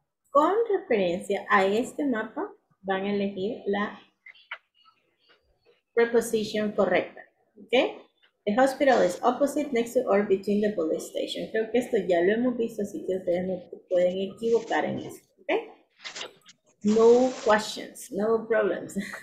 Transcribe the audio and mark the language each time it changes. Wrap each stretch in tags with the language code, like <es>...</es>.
<es>Con referencia a este mapa, van a elegir la preposición correcta, ¿ok?</es> <en>The hospital is opposite, next to, or between the police station.</en> <es>Creo que esto ya lo hemos visto, así que ustedes no pueden equivocar en esto, ¿ok?</es> <en>No questions, no problems.</en>